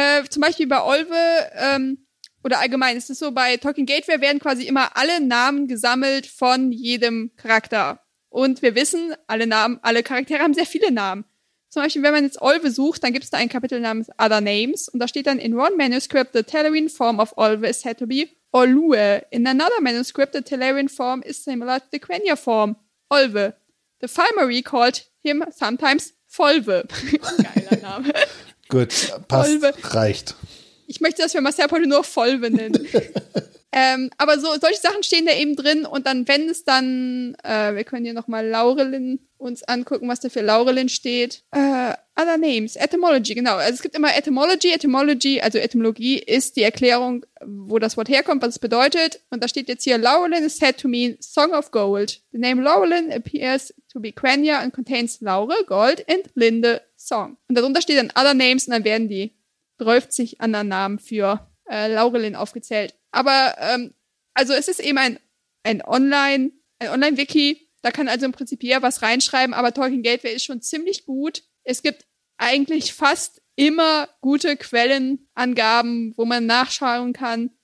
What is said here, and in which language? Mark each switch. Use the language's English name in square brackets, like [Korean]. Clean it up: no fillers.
[German] Zum Beispiel bei Olwe oder allgemein ist es so, bei Tolkien Gateway werden quasi immer alle Namen gesammelt von jedem Charakter. Und wir wissen, alle Charaktere haben sehr viele Namen. Zum Beispiel, wenn man jetzt Olwe sucht, dann gibt es da ein Kapitel namens Other Names und da steht dann [English] in one manuscript the Telerin form of Olwe is said to be Olue. In another manuscript, the Telerin form is similar to the Quenya form, Olwe. The Fimeri called him sometimes Folwe. [German] Geiler Name. Gut, passt, Olwe. Reicht. Ich möchte, dass wir Marcel Polo nur Folwe nennen. aber so solche Sachen stehen da eben drin. Und dann, wenn es dann, wir können hier nochmal Laurelin uns angucken, was da für Laurelin steht. Other Names, Etymology, genau. Also es gibt immer Etymology. Etymology, also Etymologie, ist die Erklärung, wo das Wort herkommt, was es bedeutet. Und da steht jetzt hier, [English] Laurelin is said to mean Song of Gold. The name Laurelin appears to be Quenya and contains Laure, Gold, and Linde, Song. [German] Und darunter steht dann Other Names und dann werden die 30 anderen Namen für Laurelin aufgezählt. Aber also es ist eben ein Online-Wiki. Da kann also im Prinzip jeder was reinschreiben, aber Tolkien Gateway ist schon ziemlich gut. Es gibt eigentlich fast immer gute Quellenangaben, wo man nachschauen kann.